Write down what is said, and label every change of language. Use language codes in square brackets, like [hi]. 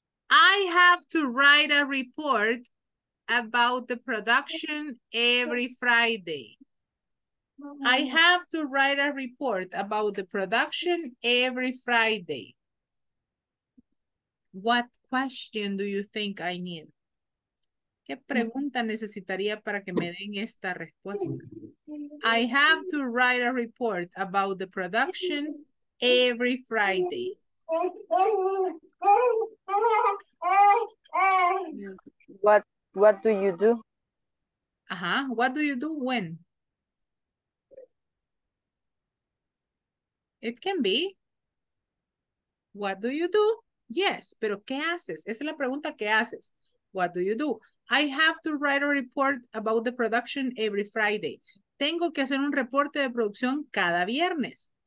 [en] I have to write a report about the production every Friday. I have to write a report about the production every Friday. What question do you think I need? [es] ¿Qué pregunta necesitaría para que me den esta respuesta? [en] I have to write a report about the production every Friday. What do you do? Uh-huh. What do you do when? It can be, what do you do? [es] Yes, pero ¿qué haces? Esa es la pregunta, ¿qué haces? [en] What do you do? I have to write a report about the production every Friday. [es] Tengo que hacer un reporte de producción cada viernes.